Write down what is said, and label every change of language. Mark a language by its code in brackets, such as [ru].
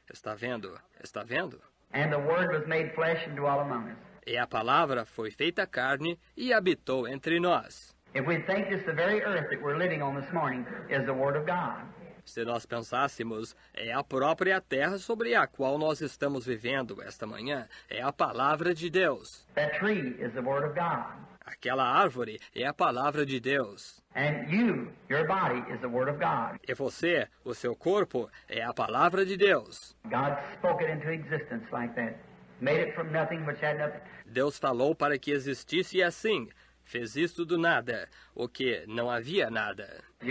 [pt] Está vendo? Está vendo? [en] And the Word was made flesh and dwelt among us. [pt] E a palavra foi feita carne e habitou entre nós. [en] If we think this, the very earth that we're living on this morning is the Word of God. [pt] Se nós pensássemos, é a própria terra sobre a qual nós estamos vivendo esta manhã. É a palavra de Deus. [en] That tree is the word of God. [pt] Aquela árvore é a palavra de Deus. [en] And you, your body is the word of God. [pt] E você, o seu corpo, é a palavra de Deus. [en] God spoke it into existence like that. Made it from nothing which had nothing. [pt] Deus falou para que existisse assim. Fez isto do nada, o que não havia nada.